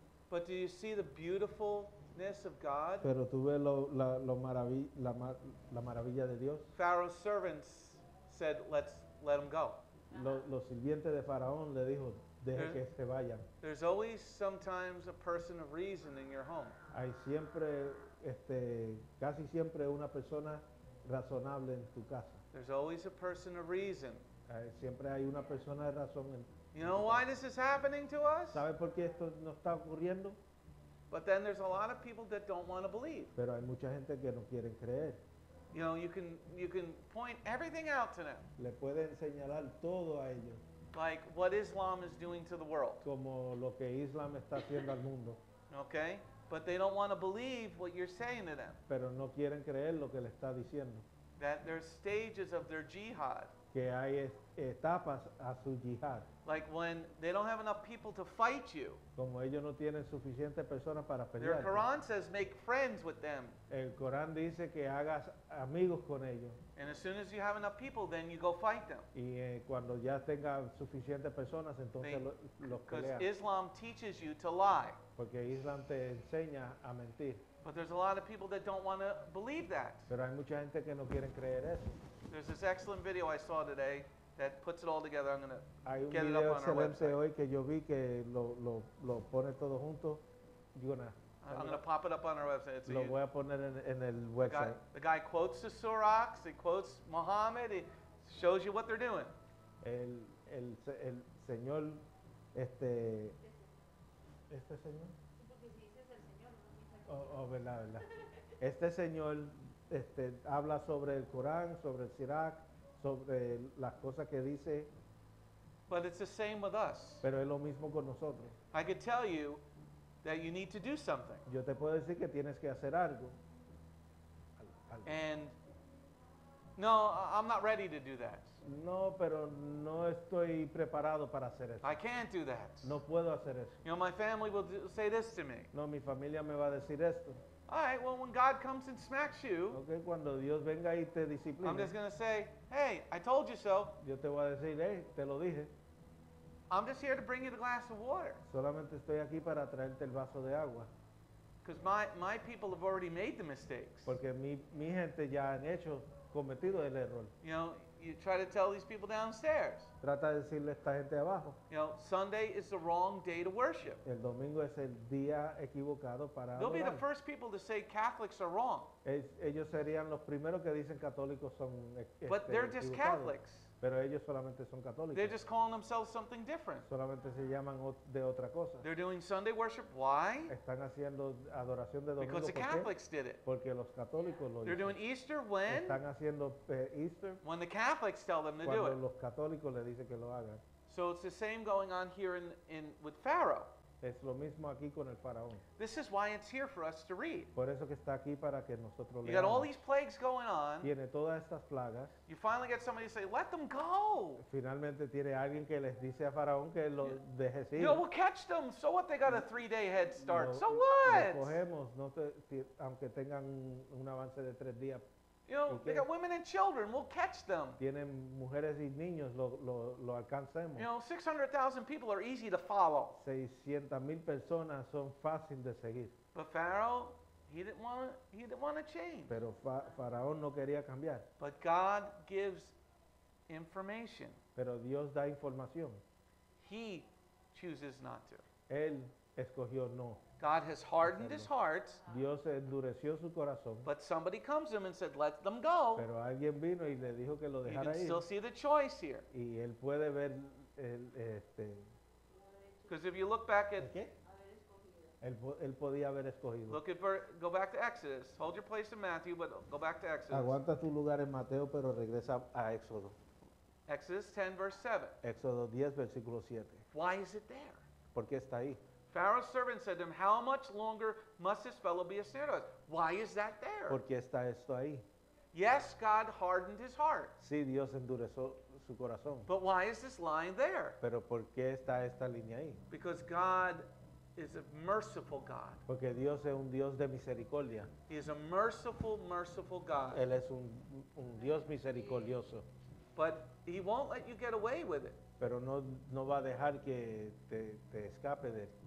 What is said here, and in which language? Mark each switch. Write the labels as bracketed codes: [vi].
[en] But do you see the beautifulness of God? [es] Pero tú ves la maravilla de Dios. [en] Pharaoh's servants said, "Let's let him go." [es] Los sirvientes de Faraón le dijo. [en] There's always sometimes a person of reason in your home. [es] Hay siempre, casi siempre una persona razonable en tu casa. [en] There's always a person of reason. [es] Siempre hay una persona de razón. [en] You know why this is happening to us? [es] ¿Sabe por qué esto no está ocurriendo? [en] But then there's a lot of people that don't want to believe. [es] Pero hay mucha gente que no quieren creer. [en] You know, you can point everything out to them. [es] Le pueden señalar todo a ellos. [en] Like what Islam is doing to the world. [es] Como lo que Islam está haciendo al mundo. [en] Okay, but they don't want to believe what you're saying to them. [es] Pero no quieren creer lo que le está diciendo. [en] That there's stages of their jihad. [es] Que hay etapas a su jihad. [en] Like when they don't have enough people to fight you. [es] Como ellos no tienen suficiente personas para pelear. [en] Their Quran says make friends with them. [es] El Corán dice que hagas amigos con ellos. [en] And as soon as you have enough people, then you go fight them. [es] Y cuando ya tenga suficiente personas, entonces los pelean. [en] Because Islam teaches you to lie. [es] Porque Islam te enseña a mentir. [en] But there's a lot of people that don't want to believe that. [es] Pero hay mucha gente que no quieren creer eso. [en] There's this excellent video I saw today that puts it all together. I'm going to get it up on our website. [es] Hay un video excelente hoy que yo vi que lo pone todo junto. [en] I'm going to pop it up on our website. It's [es] lo voy a poner en el website. [en] The guy quotes the Surah, he quotes Muhammad, he shows you what they're doing. [es] El señor, este señor. Verdad. Este señor habla sobre el Corán, sobre el Sirac, sobre las cosas que dice. [en] But it's the same with us. [es] Pero es lo mismo con nosotros. [en] I could tell you that you need to do something. [es] Yo te puedo decir que tienes que hacer algo. [en] And no, I'm not ready to do that. [es] No, pero no estoy preparado para hacer eso. [en] I can't do that. [es] No puedo hacer eso. [en] You know, my family will say this to me. [es] No, mi familia me va a decir esto. [en] All right, well, when God comes and smacks you, [es] okay, cuando Dios venga y te discipline, [en] I'm just going to say, hey, I told you so. [es] Yo te voy a decir, hey, te lo dije. [en] I'm just here to bring you the glass of water. [es] Solamente estoy aquí para traerte el vaso de agua. [en] Because my people have already made the mistakes. [es] Porque mi gente ya han hecho cometido el error. [en] You know, you try to tell these people downstairs. [es] Trata de decirle a esta gente abajo. [en] You know, Sunday is the wrong day to worship. [es] El domingo es el día equivocado para adorar. [en] They'll be the first people to say Catholics are wrong. [es] Ellos serían los primeros que dicen católicos son equivocados. [en] But they're just Catholics. [es] Pero ellos solamente son católicos. [en] They're just calling themselves something different. [es] Solamente se llaman de otra cosa. [en] They're doing Sunday worship. Why? [es] Están haciendo adoración de domingo. [en] Because the Catholics did it. [es] Porque los católicos lo hicieron. [en] They're doing Easter when? [es] Están haciendo Easter. [en] When the Catholics tell them to do it. [es] Cuando los católicos le dicen que lo hagan. [en] So it's the same going on here in with Pharaoh. [es] Es lo mismo aquí con el faraón. [en] This is why it's here for us to read. [es] Por eso que está aquí para que nosotros [en] you [es] leamos. [en] Got all these plagues going on. [es] Tiene todas estas plagas. [en] You finally get somebody to say, let them go. [es] Finalmente tiene alguien que les dice a faraón que lo deje ir. [en] You know, we'll catch them. So what? They got a 3-day head start. So what? [es] Lo cogemos, no te, aunque tengan un avance de 3 días. [en] You know, they got women and children. We'll catch them. [es] Tienen mujeres y niños. Lo alcancemos. [en] You know, 600,000 people are easy to follow. [es] 600,000 personas son fácil de seguir. [en] But Pharaoh, he didn't want to change. [es] Pero faraón no quería cambiar. [en] But God gives information. [es] Pero Dios da información. [en] He chooses not to. [es] Él escogió no. [en] God has hardened his heart. [es] Dios endureció su corazón. [en] But somebody comes to him and said, let them go. [es] Pero alguien vino y le dijo que lo dejara ir. [en] You can still see the choice here. [es] Y él puede ver [en] because if you look back at... [es] ¿Qué? Él podía haber escogido. [en] Look at go back to Exodus. Hold your place in Matthew, but go back to Exodus. [es] Aguanta tu lugar en Mateo, pero regresa a Éxodo. [en] Exodus 10, verse 7. [es] Éxodo 10, versículo 7. [en] Why is it there? [es] ¿Por qué está ahí? [en] Pharaoh's servant said to him, how much longer must this fellow be a snare to us? Why is that there? [es] ¿Por qué está esto ahí? [en] Yes, God hardened his heart. [es] Sí, Dios endureció su corazón. [en] But why is this lying there? [es] ¿Pero por qué está esta línea ahí? [en] Because God is a merciful God. [es] Porque Dios es un Dios de misericordia. [en] He is a merciful, merciful God. [es] Él es un Dios misericordioso. [en] But he won't let you get away with it. [es] Pero no va a dejar que te escape de él.